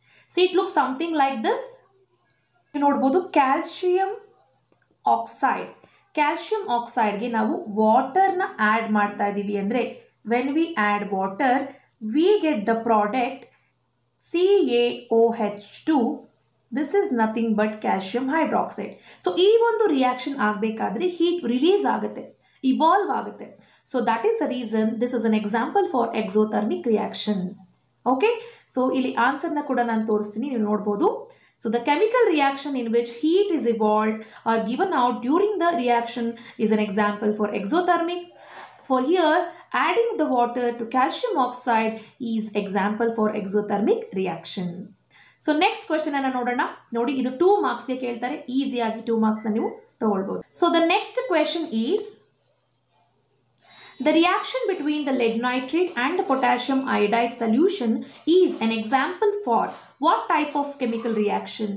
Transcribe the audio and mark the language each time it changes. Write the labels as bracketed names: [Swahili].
[English] So it look something like this. ನೋಡ್ಬೋದು calcium oxide, calcium ಆಕ್ಸೈಡ್ಗೆ [Kannada] ನಾವು ವಾಟರ್ನ add ಮಾಡ್ತಾ ಇದ್ದೀವಿ ಅಂದರೆ [English] When we add water we get the product CaOH2. This is nothing but calcium hydroxide. So, [Kannada] ee ondu reaction aagbekadre [English] heat release agutte, evolve agutte. So, that is the reason this is an example for exothermic reaction. Okay? So, [Kannada] ili answer na kuda nan torustini, neevu nodabodu. [English] So, the chemical reaction in which heat is evolved or given out during the reaction is an example for exothermic. For here, adding the water to calcium oxide is example for exothermic reaction. So next question [Kannada] ಅನ್ನು ನೋಡೋಣ. ನೋಡಿ, ಇದು 2 ಮಾರ್ಕ್ಸ್ಗೆ ಕೇಳ್ತಾರೆ, ಈಸಿಯಾಗಿ 2 ಮಾರ್ಕ್ಸ್ನ ನೀವು ತಗೊಳ್ಬೋದು. [English] So the next question is, the reaction between the lead nitrate and potassium iodide solution is an example for what type of chemical reaction.